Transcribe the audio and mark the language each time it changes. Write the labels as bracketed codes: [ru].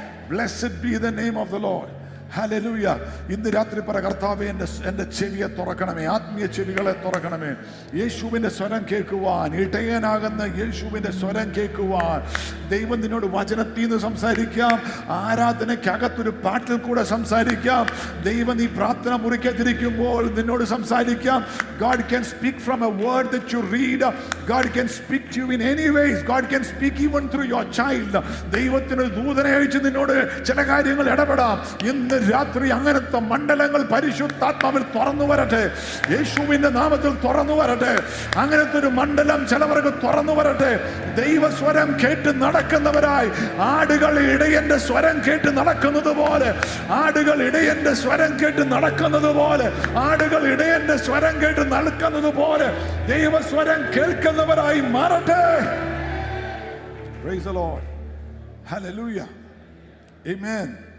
[en] Blessed be the name of the Lord. Hallelujah. [ml] ഇന്ന് രാത്രി പറ കർത്താവേ, എന്റെ ചെവിയെ തുറക്കണമേ, ആത്മീയ ചെവികളെ തുറക്കണമേ, യേശുവിന്റെ സ്വരം കേൾക്കുവാൻ, ഇടയനാകുന്ന യേശുവിന്റെ സ്വരം കേൾക്കുവാൻ. ദൈവം നിന്നോട് വചനത്തിൽ നിന്ന് സംസാരിക്കാം, ആരാധനയ്ക്കകത്തൊരു പാട്ടിൽ കൂടെ സംസാരിക്കാം. ദൈവം നീ പ്രാർത്ഥന മുറിക്കാതിരിക്കുമ്പോൾ നിന്നോട് സംസാരിക്കാം. [en] God can speak from a word that you read. God can speak to you in any ways. God can speak even through your child. [ml] ദൈവത്തിന് ഒരു ദൂതനെ അയച്ച് നിന്നോട് ചില കാര്യങ്ങൾ ഇടപെടാം. ഇന്ന് രാത്രി അങ്ങനത്തെ മണ്ഡലങ്ങൾ പരിശുദ്ധാത്മാവിൽ തുറന്നു വരട്ടെ, യേശുവിന്റെ നാമത്തിൽ തുറന്നു വരട്ടെ. അങ്ങനത്തെ ഒരു മണ്ഡലം ചിലവർക്ക് തുറന്നു വരട്ടെ. ദൈവസ്വരം കേട്ട് നടക്കുന്നവരായി ആടുകൾ ഇടയന്റെ സ്വരം കേട്ട് നടക്കുന്നത് പോലെ, ആടുകൾ ഇടയന്റെ സ്വരം കേട്ട് നടക്കുന്നത് പോലെ, ആടുകൾ ഇടയന്റെ സ്വരം കേട്ട് നടക്കുന്നത് പോലെ ദൈവസ്വരം കേൾക്കുന്നവരായി മാറട്ടെ. [en] Praise the Lord. Hallelujah. Amen.